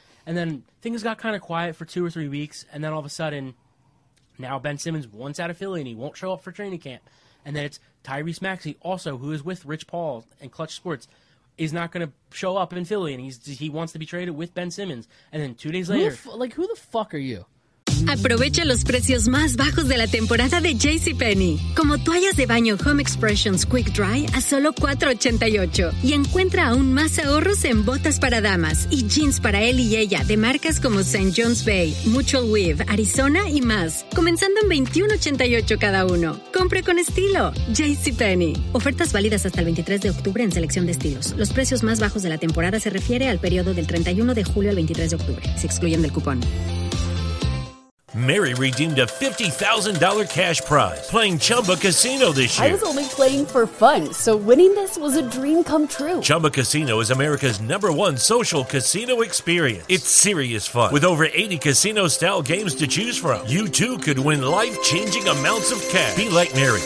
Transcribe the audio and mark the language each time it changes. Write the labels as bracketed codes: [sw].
[en] And then things got kind of quiet for 2 or 3 weeks, and then all of a sudden, now Ben Simmons wants out of Philly, and he won't show up for training camp. And then it's Tyrese Maxey, also, who is with Rich Paul and Clutch Sports, is not going to show up in Philly, and he wants to be traded with Ben Simmons. And then 2 days later... Who the fuck are you? [es] Aprovecha los precios más bajos de la temporada de JCPenney, como toallas de baño Home Expressions Quick Dry a solo $4.88. Y encuentra aún más ahorros en botas para damas y jeans para él y ella de marcas como St. John's Bay, Mutual Weave, Arizona y más, comenzando en $21.88 cada uno. Compre con estilo. JCPenney. Ofertas válidas hasta el 23 de octubre en selección de estilos. Los precios más bajos de la temporada se refiere al periodo del 31 de julio al 23 de octubre. Se excluyen del cupón. [en] Mary redeemed a $50,000 cash prize playing Chumba Casino this year. I was only playing for fun, so winning this was a dream come true. Chumba Casino is America's number one social casino experience. It's serious fun. With over 80 casino-style games to choose from, you too could win life-changing amounts of cash. Be like Mary.